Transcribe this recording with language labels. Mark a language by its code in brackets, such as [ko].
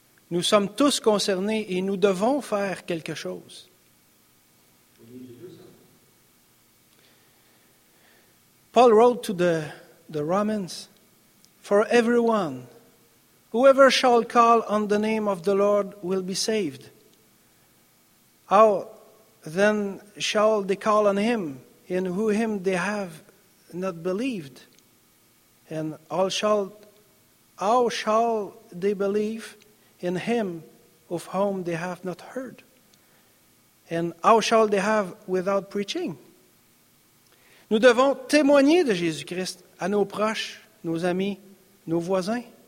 [fr] Nous sommes tous concernés et nous devons faire quelque chose. [en] Paul wrote to the Romans, For everyone, whoever shall call on the name of the Lord will be saved. How then shall they call on him, in whom they have not believed? And how shall they believe in him of whom they have not heard? And how shall they have without preaching? [fr] Nous devons témoigner de Jésus-Christ à nos proches, nos amis, nos voisins.